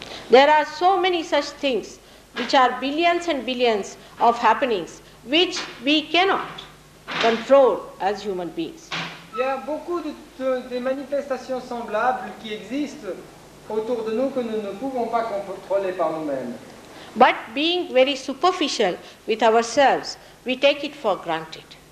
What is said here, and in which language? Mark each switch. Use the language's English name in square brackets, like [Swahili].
[English] There are so many such things, which are billions and billions of happenings, which we cannot control as human beings. [French] Il y a beaucoup de manifestations semblables qui existent autour de nous que nous ne pouvons pas contrôler par nous-mêmes. [English] But being very superficial with ourselves, we take it for granted.